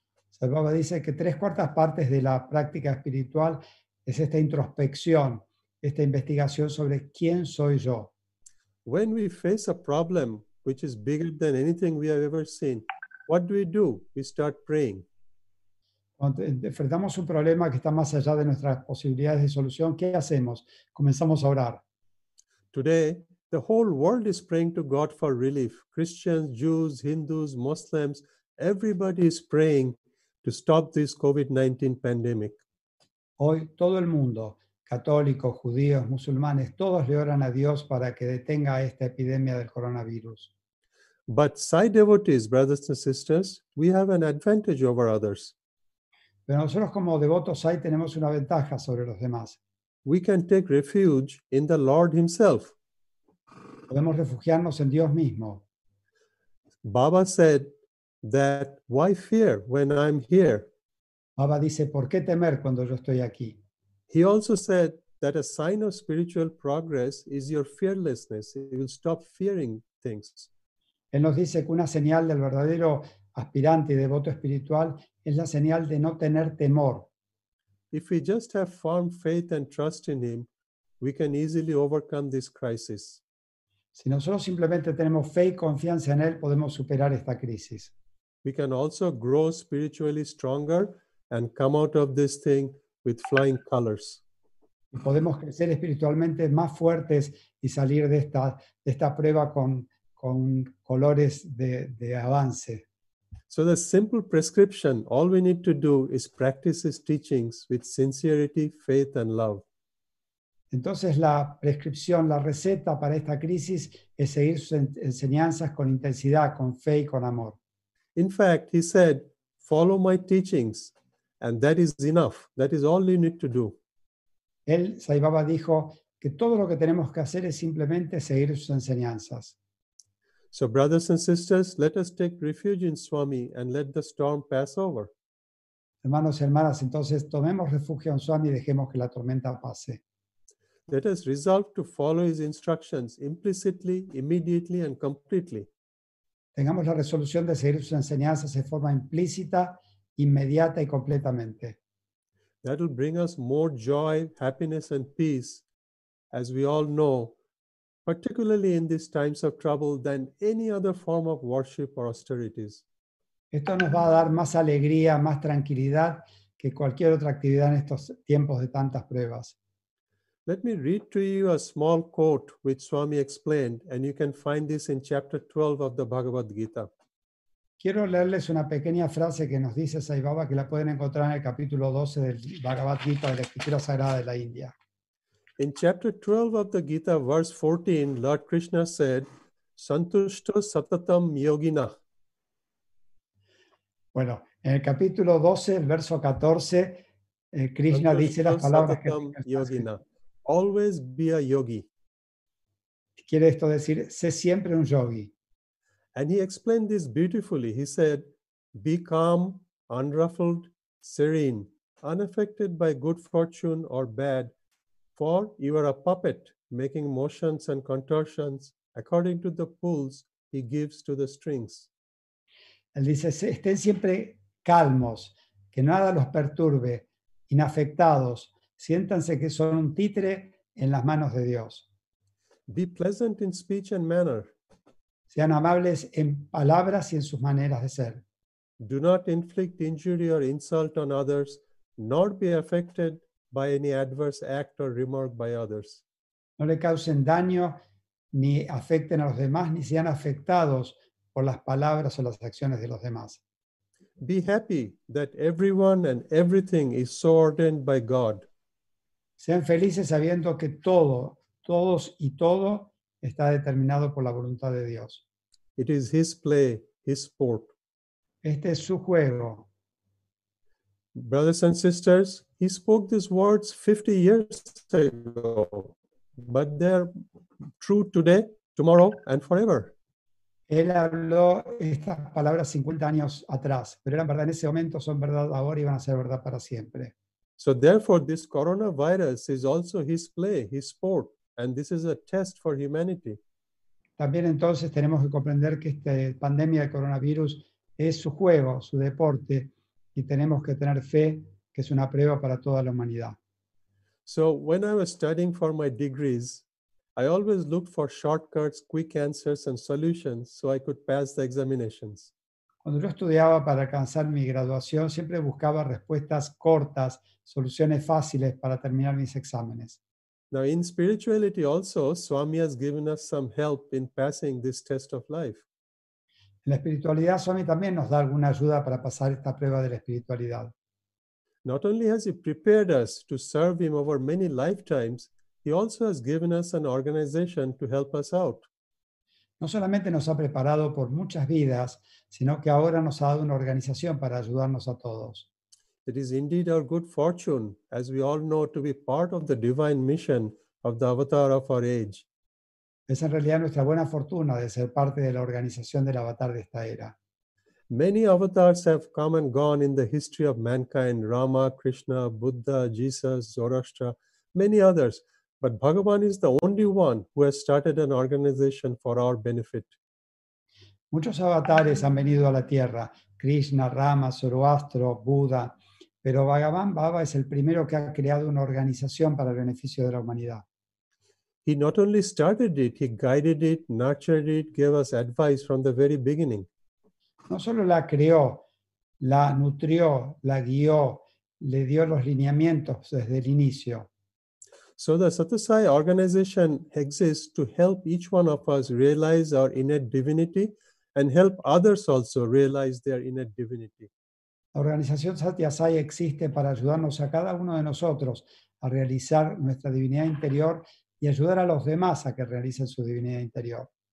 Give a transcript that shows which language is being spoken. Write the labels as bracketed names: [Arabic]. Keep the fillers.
[Spanish] Salvaba dice que tres cuartas partes de la práctica espiritual es esta introspección, esta investigación sobre quién soy yo. [English] when we face a problem which is bigger than anything we have ever seen, what do we do? We start praying. [Spanish] Cuando enfrentamos un problema que está más allá de nuestras posibilidades de solución, ¿qué hacemos? Comenzamos a orar. [English] Today, the whole world is praying to God for relief. Christians, Jews, Hindus, Muslims, everybody is praying to stop this COVID 19 pandemic. [Spanish] Hoy todo el mundo, católicos, judíos, musulmanes, todos le oran a Dios para que detenga esta epidemia del coronavirus. [English] But Sai devotees, brothers and sisters, we have an advantage over others. [Spanish] Pero nosotros como devotos ahí tenemos una ventaja sobre los demás. [English] We can take refuge in the Lord Himself. [Spanish] Podemos refugiarnos en Dios mismo. [English] Baba said that, why fear when I'm here? [Spanish] Baba dice, ¿por qué temer cuando yo estoy aquí? [English] He also said that a sign of spiritual progress is your fearlessness. You will stop fearing things. [Spanish] Él nos dice que una señal del verdadero aspirante y devoto espiritual es la señal de no tener temor. [English] If we just have firm faith and trust in Him, we can easily overcome this crisis. [Spanish] Si nosotros simplemente tenemos fe y confianza en Él, podemos superar esta crisis. [English] We can also grow spiritually stronger and come out of this thing with flying colors. [Spanish] Y podemos crecer espiritualmente más fuertes y salir de esta, de esta prueba con, con colores de, de avance. [English] So, the simple prescription all we need to do is practice His teachings with sincerity, faith, and love. [Spanish] Entonces la prescripción, la receta para esta crisis es seguir sus en- enseñanzas con intensidad, con fe y con amor. [English] In fact, He said, Follow my teachings, and that is enough. That is all you need to do. [Spanish] Él, Sai Baba, dijo que todo lo que tenemos que hacer es simplemente seguir sus enseñanzas. [English] So, brothers and sisters, let us take refuge in Swami and let the storm pass over. [Spanish] Hermanos y hermanas, entonces tomemos refugio en Swami y dejemos que la tormenta pase. [English] Let us resolve to follow His instructions implicitly, immediately, and completely. [Spanish] Tengamos la resolución de seguir sus enseñanzas de forma implícita, inmediata y completamente. [English] That will bring us more joy, happiness, and peace, as we all know, particularly in these times of trouble, than any other form of worship or austerities. [Spanish] Esto nos va a dar más alegría, más tranquilidad que cualquier otra actividad en estos tiempos de tantas pruebas. [English] Let me read to you a small quote which Swami explained, and you can find this in chapter 12 of the Bhagavad Gita. [Spanish] Quiero leerles una pequeña frase que nos dice Sai Baba, que la pueden encontrar en el capítulo 12 del Bhagavad Gita de la Escritura Sagrada de la India. [English] In chapter 12 of the Gita, verse 14, Lord Krishna said, [Sanskrit] Santushto satatam yogina. [Spanish] Bueno, en el capítulo 12, el verso 14, eh, Krishna dice las [Sanskrit] Santushto [Spanish] palabras que [Sanskrit] satatam yogina. [English] Always be a yogi. [Spanish] quiere esto decir, sé siempre un yogi. [English] And he explained this beautifully. He said, Be calm, unruffled, serene, unaffected by good fortune or bad, for you are a puppet making motions and contortions according to the pulls he gives to the strings. [Spanish] Él dice, "Se- estén siempre calmos, que nada los perturbe, inafectados, siéntanse que son un títere en las manos de Dios. [English] Be pleasant in speech and manner. [Spanish] Sean amables en palabras y en sus maneras de ser. [English] Do not inflict injury or insult on others, nor be affected by any adverse act or remark by others. [Spanish] no le causen daño, ni afecten a los demás, ni sean afectados por las palabras o las acciones de los demás. [English] Be happy that everyone and everything is so ordained by God. [Spanish] Sean felices sabiendo que todo, todos y todo está determinado por la voluntad de Dios. [English] It is His play, His sport. [Spanish] Este es su juego. [English] Brothers and sisters, He spoke these words 50 years ago, but they're true today, tomorrow, and forever. [Spanish] Él habló estas palabras 50 años atrás, pero eran verdad en ese momento, son verdad ahora y van a ser verdad para siempre. [English] So, therefore, this coronavirus is also His play, His sport, and this is a test for humanity. [Spanish] También entonces tenemos que comprender que esta pandemia del coronavirus es su juego, su deporte, y tenemos que tener fe que es una prueba para toda la humanidad. [English] So, when I was studying for my degrees, I always looked for shortcuts, quick answers, and solutions so I could pass the examinations. [Spanish] Cuando yo estudiaba para alcanzar mi graduación, siempre buscaba respuestas cortas, soluciones fáciles para terminar mis exámenes. [English] Now, in spirituality, also, Swami has given us some help in passing this test of life. [Spanish] En la espiritualidad, Swami también nos da alguna ayuda para pasar esta prueba de la espiritualidad. [English] Not only has He prepared us to serve Him over many lifetimes, He also has given us an organization to help us out. [Spanish] No solamente nos ha preparado por muchas vidas, sino que ahora nos ha dado una organización para ayudarnos a todos. [English] It is indeed our good fortune, as we all know, to be part of the divine mission of the avatar of our age. [Spanish] Es en realidad nuestra buena fortuna de ser parte de la organización del avatar de esta era. [English] Many avatars have come and gone in the history of mankind Rama, Krishna, Buddha, Jesus, Zoroaster, many others. But Bhagavan is the only one who has started an organization for our benefit. [Spanish] Muchos avatares han venido a la Tierra, Krishna, Rama, Zoroastro, Buda, pero Bhagavan Baba es el primero que ha creado una organización para el beneficio de la humanidad. [English] He not only started it, he guided it, nurtured it, gave us advice from the very beginning. [Spanish] No solo la creó, la nutrió, la guió, le dio los lineamientos desde el inicio. [English] So the Satasai organization exists to help each one of us realize our innate divinity and help others also realize their innate divinity. [Spanish] La organización Satyasai existe para ayudarnos a cada uno de nosotros a realizar nuestra divinidad interior y ayudar a los demás a que realicen su divinidad interior.